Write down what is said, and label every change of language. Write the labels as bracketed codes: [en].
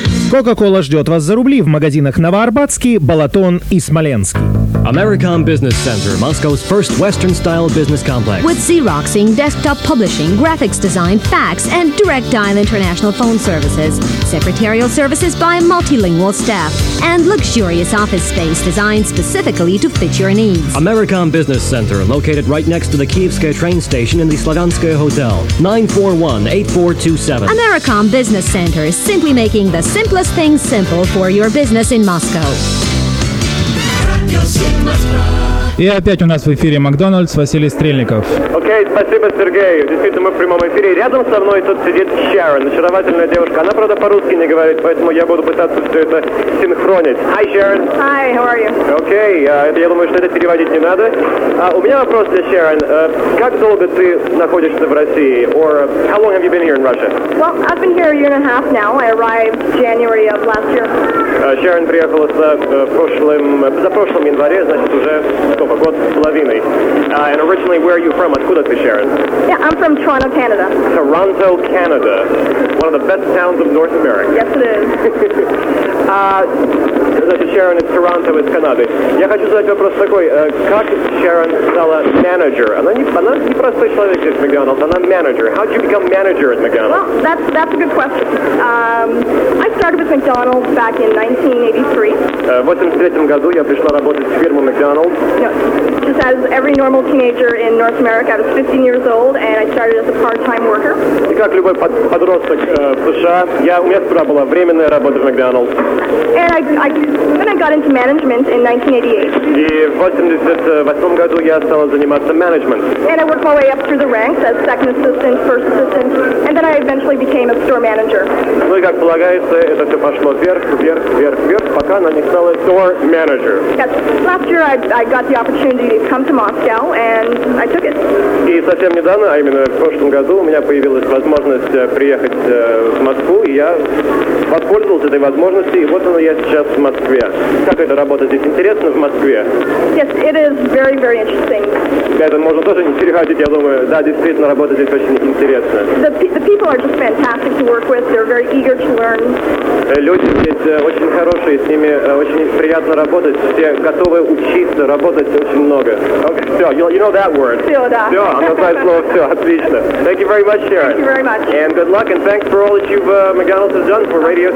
[ru] Coca-Cola ждет вас за рубли в магазинах Новоарбатский, Балатон и Смоленский. [en] Americom Business Center, Moscow's first Western-style business complex. With Xeroxing, desktop publishing, graphics design, fax, and direct dial international phone services. Secretarial services by multilingual staff. And luxurious office space designed specifically to fit your needs. Americom Business Center, located right next to the Kyivskaya train station in the Slavyanskaya Hotel. 941-8427. Americom Business Center is simply making the simplest things simple for your business in Moscow. [ru] И опять у нас в эфире Макдональдс, Василий Стрельников. Окей, спасибо, Сергей. Действительно, мы в прямом эфире. Рядом со мной тут сидит Шэрон, очаровательная девушка. Она, правда, по-русски не говорит, поэтому я буду пытаться все это синхронить. [en] Hi, Sharon. Hi, how are you? [ru] Окей, я думаю, что это переводить не надо. У меня вопрос для Шэрон. Как долго ты находишься в России? [en] Or how long have you been here in Russia? Well, I've been here a year and a half now. I arrived January of last year. [ru] Шэрон приехала за прошлым январе, значит, уже... [en] And originally, where are you from? [ru] Откуда ты, Шэрон? [en] Yeah, I'm from Toronto, Canada. Toronto, Canada. One of the best towns of North America. Yes, it is. [ru] Значит, Шэрон из Toronto, из Канады. Я хочу задать вопрос такой. Как Шэрон стала менеджер? Она не простой человек из Макдоналдс, она менеджер. [en] How did you become manager at Макдоналдс? Well, that's a good question. I started with Макдоналдс back in 1983. [ru] В 83-м году я пришла работать в фирму Макдоналдс. [en] Yeah. Just as every normal teenager in North America, I was 15 years old and I started as a part-time worker. [ru] И как любой подросток в США, у меня всегда была временная работа в Макдоналдс. [en] And then I got into management in 1988. [ru] И в 88-м году я стала заниматься management. [en] And I worked my way up through the ranks as second assistant, first assistant, and then I eventually became a store manager. [ru] Ну и как полагается, это все пошло вверх, вверх, вверх, вверх, пока она не стала [en] store manager. Yes. Last year I got the opportunity to come to Moscow and I took it. [ru] И совсем недавно, а именно в прошлом году, у меня появилась возможность приехать в Москву, и я воспользовался этой возможностью, и вот оно, я сейчас в Москве. Как это работать здесь? Интересно в Москве? [en] Yes, it is very, very interesting. [ru] Это можно тоже не переходить, я думаю. Да, действительно, работать здесь очень интересно. [en] The people are just fantastic to work with. They're very eager to learn. [ru] Люди здесь очень хорошие, с ними очень приятно работать. Все готовы учиться, работать очень много. [en] Okay, все, you know that word. [ru] Все, да. Все, оно знает слово все, отлично. [en] Thank you very much, Sharon. Thank you very much. And good luck, and thanks for all that you've, McDonald's has done for Radio 7.